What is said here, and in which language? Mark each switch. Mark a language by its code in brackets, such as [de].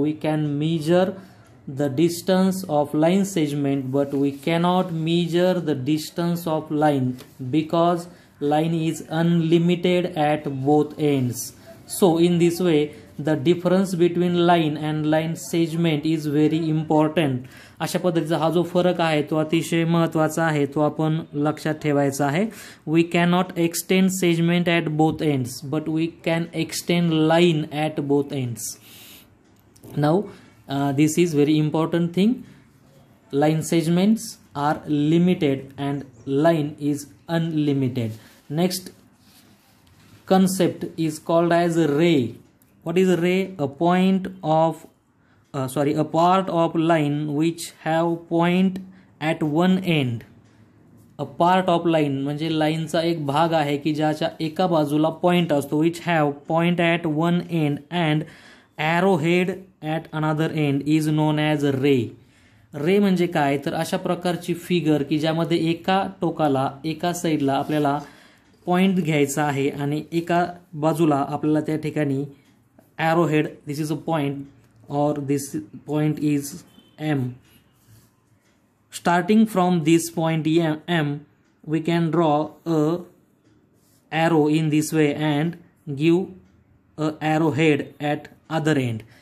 [en] We can measure the distance of line segment but we cannot measure the distance of line because line is unlimited at both ends. So in this way the difference between line and line segment is very important. [mr] अशा पद्धतीचा हा जो फरक आहे तो अतिशय महत्त्वाचा आहे, तो आपण लक्षात ठेवायचा आहे. [en] We cannot extend segment at both ends but we can extend line at both ends. Now this is very important thing. Line segments are limited and line is unlimited. Next concept is called as ray. What is a ray? A part of line which have point at one end. A part of line [mr] म्हणजे लाईनचा एक भाग आहे की ज्याच्या एका बाजूला point असतो. [en] Which have point at one end and arrowhead at another end is known as a ray. [mr] रे म्हणजे काय? तर अशा प्रकारची फिगर की ज्यामध्ये एका टोकाला, एका साईडला आपल्याला पॉइंट घ्यायचा आहे आणि एका बाजूला आपल्याला त्या ठिकाणी arrow head, [en] This is a point or this point is M. Starting from this point M we can draw a arrow in this way and give a arrow head at other end.